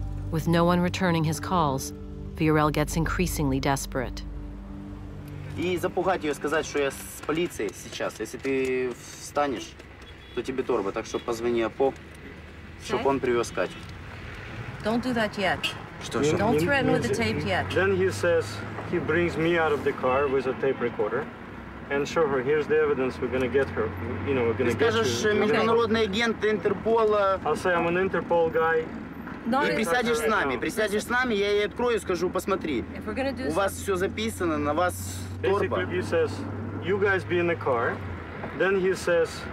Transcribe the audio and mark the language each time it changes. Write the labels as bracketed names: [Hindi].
[English] With no one returning his calls, Viorel gets increasingly desperate. [Russian] И запугать ее, сказать, что я с полицией сейчас. Если ты встанешь, то тебе торба. Так что позвони Апо, чтобы он привез Катю. [English] Don't do that yet. [Russian] Что? [English] Don't threaten with the tape yet. Then he says he brings me out of the car with a tape recorder and show her. Here's the evidence. We're gonna get her. You know, we're gonna get her. [Russian] Скажешь, международный агент Интерпола. [English] I'll say I'm an Interpol guy. [Russian] Ты присядешь с нами, присядешь с нами, я ей открою, скажу, посмотри. У вас все записано, на вас торба. [English] You guys be in the car. Then he says,